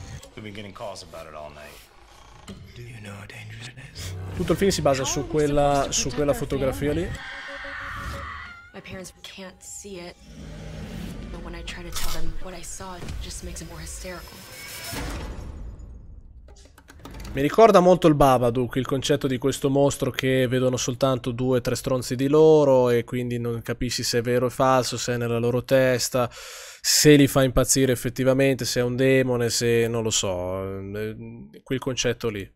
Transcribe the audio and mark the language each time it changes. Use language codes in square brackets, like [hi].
[en] We've been getting calls about it all night. Do you know how dangerous it is? [it] Tutto il film si basa su quella fotografia lì. [en] My parents can't see it. But when I try to tell them what I saw, it just makes it more hysterical. [it] Mi ricorda molto il Babadook, il concetto di questo mostro che vedono soltanto 2 o 3 stronzi di loro, e quindi non capisci se è vero o falso, se è nella loro testa, se li fa impazzire effettivamente, se è un demone, se non lo so, quel concetto lì.